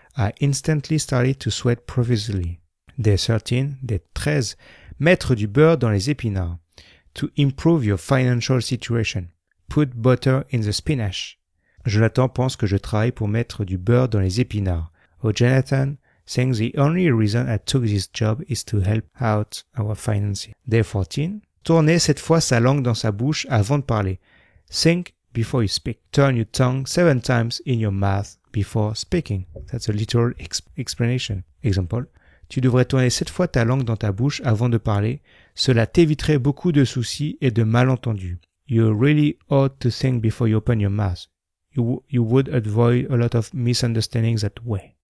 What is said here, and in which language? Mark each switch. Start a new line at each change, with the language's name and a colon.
English: I instantly started to sweat profusely. Day 13. Day 13.
French: Mettre du beurre dans les épinards.
English: To improve your financial situation. Put butter in the spinach.
French: Jonathan pense que je travaille pour mettre du beurre dans les épinards.
English: Oh, Jonathan thinks the only reason I took this job is to help out our finances. Day 14.
French: Tournez cette fois sa langue dans sa bouche avant de parler.
English: Think before you speak. Turn your tongue 7 times in your mouth before speaking. That's a literal explanation. Example.
French: Tu devrais tourner 7 fois ta langue dans ta bouche avant de parler. Cela t'éviterait beaucoup de soucis et de malentendus.
English: You really ought to think before you open your mouth. You would avoid a lot of misunderstandings that way.